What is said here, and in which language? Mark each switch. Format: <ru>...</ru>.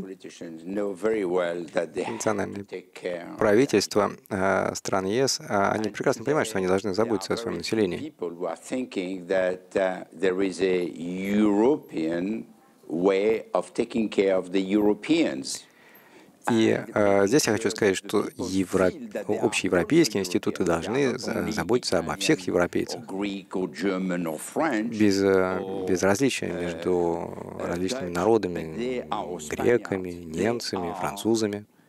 <en>Politicians know very well that they have to take care.</en> <ru>Правительства стран ЕС, они прекрасно понимают, что они должны заботиться о своем населении.</ru> <en>People who are thinking that there is a European way of taking care of the Europeans.</en> <ru>И здесь я хочу сказать, что общеевропейские институты должны заботиться обо всех европейцах, без различия между различными народами, греками, немцами, французами.</ru>